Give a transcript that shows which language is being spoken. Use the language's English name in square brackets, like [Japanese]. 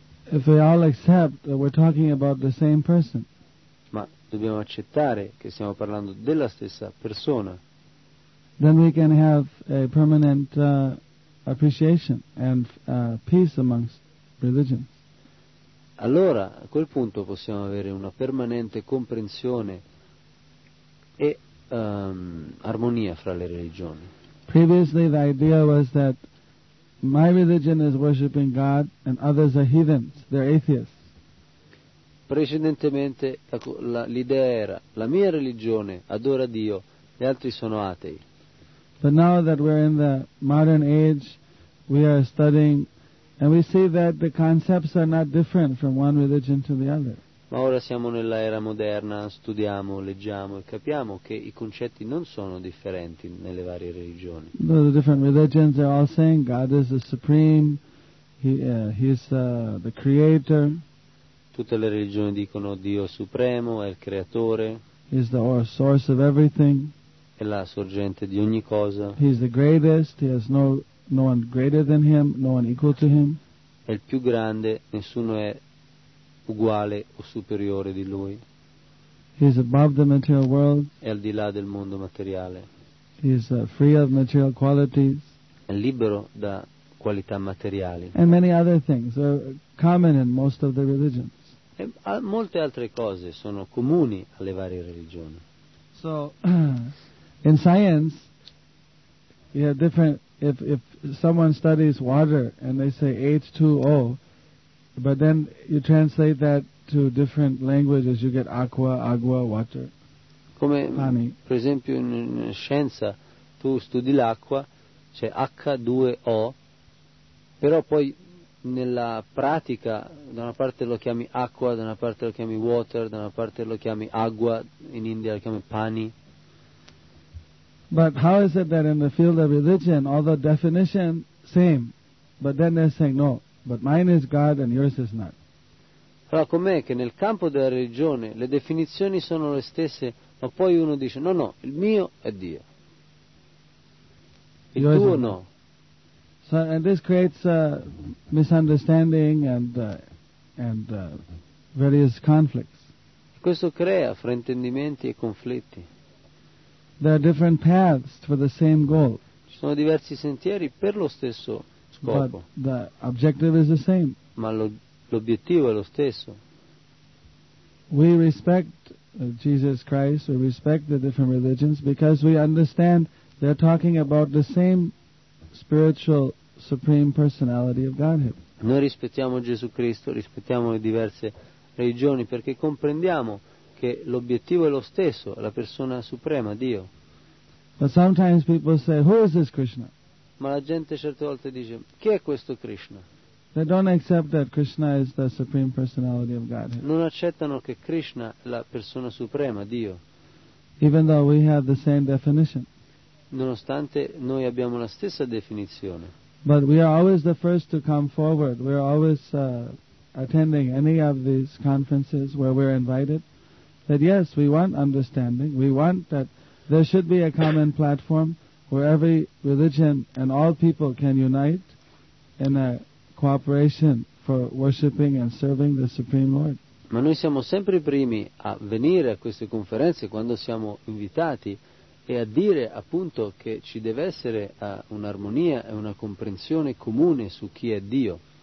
[English] If they all accept that we're talking about the same person. [Italian] Ma dobbiamo accettare che stiamo parlando della stessa persona. [English] Then we can have a permanent appreciation and peace amongst religions. [Italian] Allora, a quel punto possiamo avere una permanente comprensione e armonia fra le religioni. [English] Previously the idea was that my religion is worshiping God and others are heathens, they're atheists. [Italian] Precedentemente l'idea era la mia religione adora Dio, gli altri sono atei. [English] But now that we're in the modern age, we are studying and we see that the concepts are not different from one religion to the other. [Italian] Ma ora siamo nell'era moderna, studiamo, leggiamo e capiamo che i concetti non sono differenti nelle varie religioni. [English] The different religions are all saying God is the supreme, he is the creator. [Italian] Tutte le religioni dicono Dio supremo, è il creatore. [English] He is the source of everything. [Italian] È la sorgente di ogni cosa. [English] He is the greatest, he has no one greater than him, no one equal to him. [Italian] È il più grande, nessuno è uguale o superiore di lui. [English] He is above the material world. [Italian] È al di là del mondo materiale. [English] He is free of material qualities. [Italian] È libero da qualità materiali. [English] And many other things are common in most of the religions. [Italian] E molte altre cose sono comuni alle varie religioni. [English] So, in science, you have different. If someone studies water and they say H2O. But then you translate that to different languages, you get aqua, agua, water. [Italian] Come [English] honey. [Italian] Per esempio in scienza tu studi l'acqua, c'è H2O, però poi nella pratica da una parte lo chiami acqua, da una parte lo chiami water, da una parte lo chiami agua, in India lo chiami pani. [English] But how is it that in the field of religion all the definition same, but then they're saying no. But mine is God and yours is not. [Italian] Però com'è che nel campo della religione le definizioni sono le stesse, ma poi uno dice no, no, il mio è Dio. Il [English] yours [Italian] tuo no. [English] So and this creates misunderstanding and various conflicts. [Italian] Questo crea fraintendimenti e conflitti. [English] There are different paths for the same goal. [Italian] Ci sono diversi sentieri per lo stesso. [English] But the objective is the same. [Italian] Ma l'obiettivo è lo stesso. [English] We respect Jesus Christ, we respect the different religions because we understand they're talking about the same spiritual supreme personality of Godhead. [Italian] Noi rispettiamo Gesù Cristo, rispettiamo le diverse religioni perché comprendiamo che l'obiettivo è lo stesso, la persona suprema, Dio. [English] But sometimes people say, who is this Krishna? [Italian] Ma la gente certe volte dice, chi è questo Krishna? [English] They don't accept that Krishna is the supreme personality of Godhead. [Italian] Non accettano che Krishna è la persona suprema, Dio. [English] Even though we have the same definition. [Italian] Nonostante noi abbiamo la stessa definizione. [English] But we are always the first to come forward. We are always attending any of these conferences where we are invited. That yes, we want understanding. We want that there should be a common platform. Where every religion and all people can unite in a cooperation for worshiping and serving the Supreme Lord. [Italian] Ma noi siamo sempre i primi a venire a queste conferenze quando siamo invitati e a dire appunto che ci deve essere un'armonia e una comprensione comune su chi è Dio.